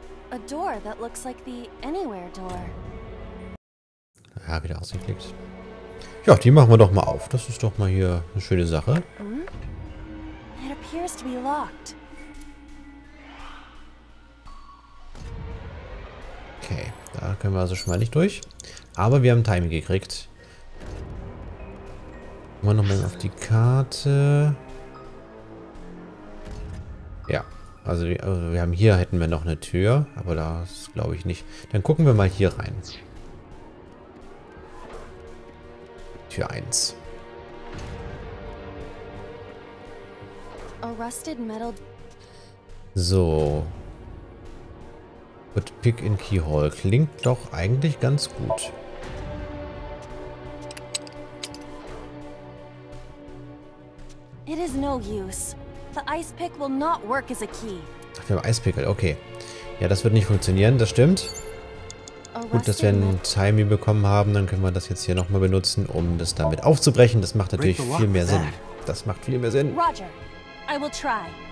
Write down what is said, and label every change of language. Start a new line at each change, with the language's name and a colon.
English: A door that looks like the anywhere door.
German: Ja, wieder ausgeklickt. Ja, die machen wir doch mal auf. Das ist doch mal hier eine schöne Sache.
English: It appears to be locked.
German: Okay, da können wir also schon mal nicht durch. Aber wir haben Timing gekriegt. Gucken wir nochmal auf die Karte. Ja, also wir haben hier, hätten wir noch eine Tür, aber das glaube ich nicht. Dann gucken wir mal hier rein. Tür 1.
English: A rusted metal. So. Put pick in keyhole.
German: Klingt doch eigentlich ganz gut.
English: It is no use. The ice pick will not work as a key.
German: Ach, wir haben Eispickel, okay. Ja, das wird nicht funktionieren, das stimmt. Gut, dass wir ein Timing bekommen haben, dann können wir das jetzt hier nochmal benutzen, um das damit aufzubrechen. Das macht natürlich viel mehr Sinn. Das macht viel mehr Sinn.
English: Roger, I will try.